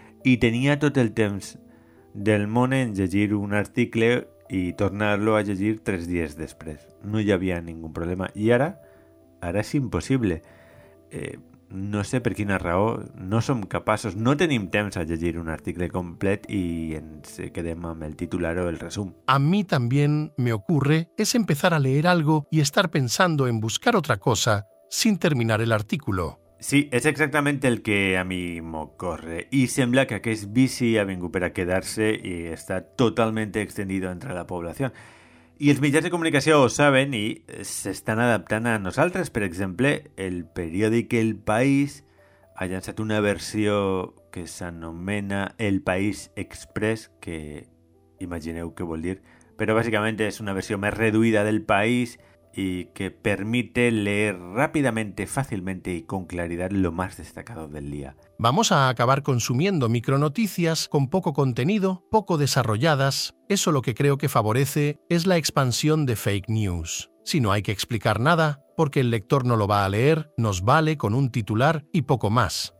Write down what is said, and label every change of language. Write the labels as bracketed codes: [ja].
[ca] I tenia tot el temps del món en llegir un article i tornar-lo a llegir 3 dies després. No hi havia ningú problema. I ara és impossible. No sé per quina raó, no som capaços, no tenim temps a llegir un article complet i ens quedem amb el titular o el resum. [es] A mí también me ocurre es empezar a leer algo y estar pensando en buscar otra cosa sin terminar el artículo. [ca] Sí, és exactament el que a mi m'ocorre. I sembla que aquest vici ha vingut per a quedar-se i està totalment extendit entre la població. I els mitjans de comunicació ho saben i s'estan adaptant a nosaltres. Per exemple, el periòdic El País ha llançat una versió que s'anomena El País Express, que imagineu què vol dir, però bàsicament és una versió més reduïda del País [es] y que permite leer rápidamente, fácilmente y con claridad lo más destacado del día. Vamos a acabar consumiendo micronoticias con poco contenido, poco desarrolladas. Eso lo que creo que favorece es la expansión de fake news. Si no hay que explicar nada, porque el lector no lo va a leer, nos vale con un titular y poco más.